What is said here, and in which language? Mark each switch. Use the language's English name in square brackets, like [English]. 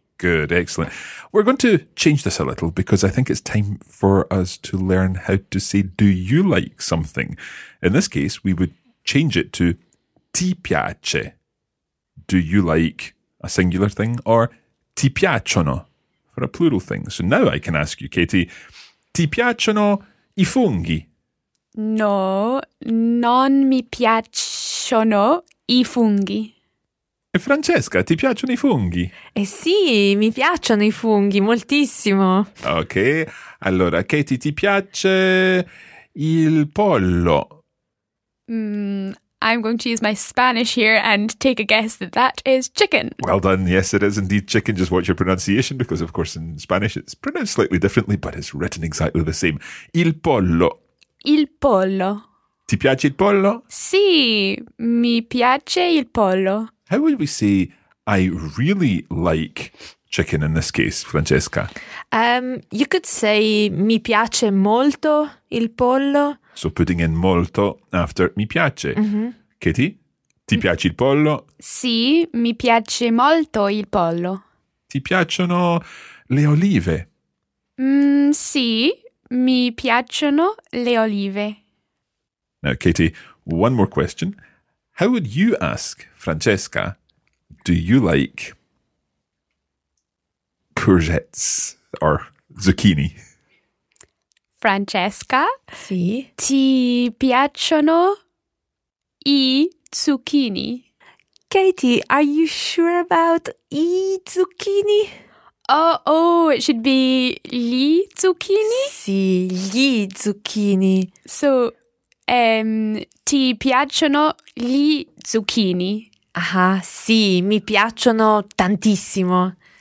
[English] Good, excellent. We're going to change this a little because I think it's time for us to learn how to say, do you like something? In this case, we would change it to ti piace. Do you like a singular thing? Or ti piacciono for a plural thing. So now I can ask you, Katie, [Italian] ti piacciono I funghi? No, non mi piacciono I funghi. E Francesca, ti piacciono I funghi? Eh sì, mi piacciono I funghi, moltissimo. Ok, allora, Katie, ti piace il pollo? [English] I'm going to use my Spanish here and take a guess that that is chicken. Well done, yes it is indeed chicken, just watch your pronunciation because of course in Spanish it's pronounced slightly differently but it's written exactly the same. [Italian] Il pollo. Il pollo. Ti piace il pollo? Sì, mi piace il pollo. [English] How would we say, I really like chicken in this case, Francesca? You could say, [Italian] mi piace molto il pollo. [English] So putting in molto after mi piace. Mm-hmm. [Italian] Katie, ti piace il pollo? Sì, mi piace molto il pollo. Ti piacciono le olive? Sì, mi piacciono le olive. [English] Now, Katie, one more question. How would you ask Francesca, do you like courgettes or zucchini? Francesca, [Italian] sì. Ti piacciono I zucchini? [English] Katie, are you sure about I zucchini? Oh, it should be gli zucchini? [Italian] Sì, gli zucchini. So, ti piacciono gli zucchini? Aha, sì, mi piacciono tantissimo.